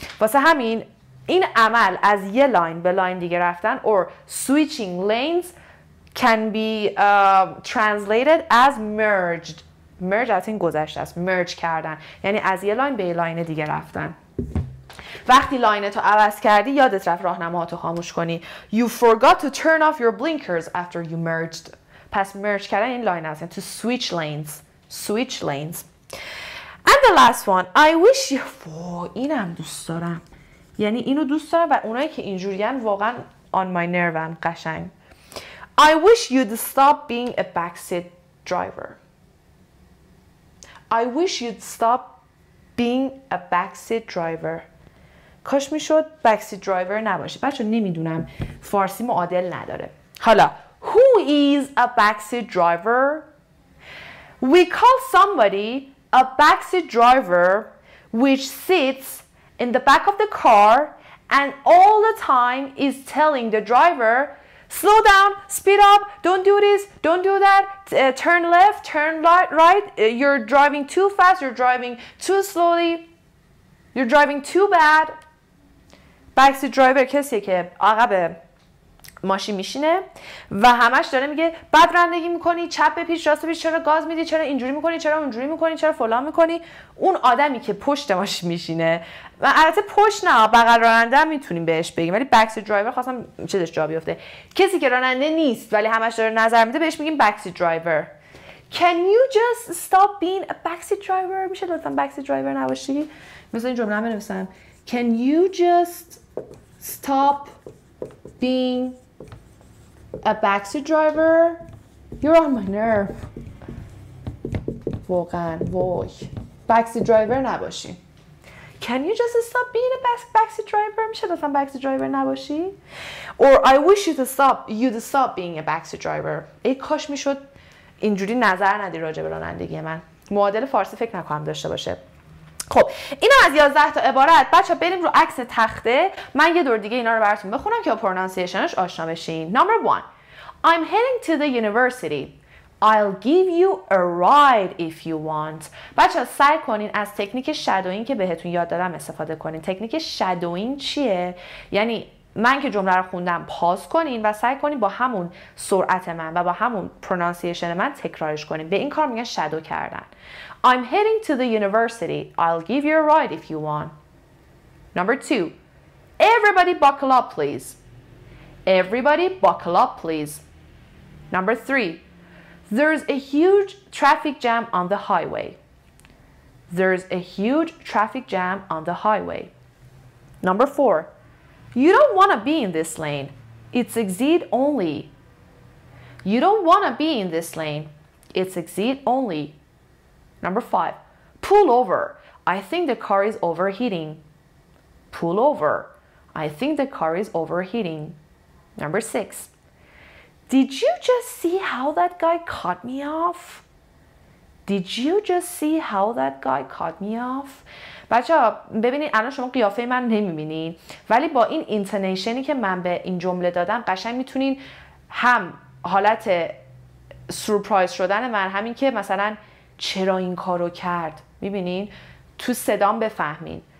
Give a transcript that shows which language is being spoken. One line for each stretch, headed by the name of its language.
Persian: واسه همین این عمل از یه لاین به لاین دیگه رفتن
English: or switching lanes can be translated as merged.
Persian: Merge از این گذشته است. Merge کردن. یعنی از یه لاین به یه لاین دیگه رفتن. وقتی لاینتو عوض کردی یادت رفت راهنماهاتو خاموش کنی.
English: You forgot to turn off your blinkers after you merged.
Persian: پس merge کردن این لاین است. یعنی
English: to switch lanes. Switch lanes. And the last one. I wish you...
Persian: اینم دوست دارم. یعنی اینو دوست دارم و اونایی که اینجوریان واقعا
English: on my nerve
Persian: هم قشنگ.
English: I wish you'd stop being a backseat driver. I wish you'd stop being a backseat driver.
Persian: کاش میشد backseat driver نباشی. بچه نمیدونم. فارسی معادل نداره. حالا.
English: Who is a backseat driver? We call somebody a backseat driver which sits in the back of the car and all the time is telling the driver slow down, speed up, don't do this, don't do that, turn left, turn right, you're driving too fast, you're driving too slowly, you're driving too bad.
Persian: Backseat driver کسی که عقب ماشین میشینه و همش داره میگه بد رانندگی میکنی، چپ بپیچ، راست بپیچ، چرا گاز میدی، چرا اینجوری میکنی، چرا اونجوری میکنی، چرا فلان میکنی. اون آدمی که پشت ماشین میشینه و البته پشت نه، بغل راننده هم میتونیم بهش بگیم، ولی بکسی درایور خواستم چیزش جا بیفته، کسی که راننده نیست ولی همش داره نظر میده بهش میگیم بکسی درایور.
English: Can you just stop being a backseat driver؟
Persian: میشه لطفا بکسی درایور نباشی؟ مثلا این جمله بنویسم
English: Can you just stop being a backseat driver? You're on my nerve.
Persian: واقعا وای backseat driver نباشی.
English: Can you just stop being a backseat driver?
Persian: میشه لطفا
English: backseat driver
Persian: نباشی؟
English: Or I wish you to stop being a backseat driver.
Persian: ای کاش میشد اینجوری نظر ندی راجع به رانندگی من. معادل فارسی فکر نکنم داشته باشه. خب اینا از 11 تا عبارت. بچه بریم رو عکس تخته، من یه دور دیگه اینا رو براتون بخونم که با پرونانسیشنش آشنا بشین.
English: Number 1. I'm heading to the university. I'll give you a ride if you want.
Persian: بچه سعی کنین از تکنیک شادوینگ که بهتون یاد دادم استفاده کنین. تکنیک شادوینگ چیه؟ یعنی من که جمله رو خوندم پاس کنین و سعی کنین با همون سرعت من و با همون پرونانسیشن من تکرارش کنین. به این کار میگن شادو کردن.
English: I'm heading to the university. I'll give you a ride if you want. Number 2. Everybody buckle up, please. Everybody buckle up, please. Number 3. There's a huge traffic jam on the highway. There's a huge traffic jam on the highway. Number 4. You don't want to be in this lane. It's exit only. You don't want to be in this lane. It's exit only. Number 5. Pull over. I think the car is overheating. Pull over. I think the car is overheating. Number 6. Did you just see how that guy cut me off? Did you just see how that guy cut me off?
Persian: بچه ها ببینید الان شما قیافه من نمیبینید، ولی با این اینتونیشنی که من به این جمله دادم قشنگ میتونین هم حالت سورپرایز شدن من، همین که مثلا چرا این کارو کرد، میبینین تو صدام بفهمین.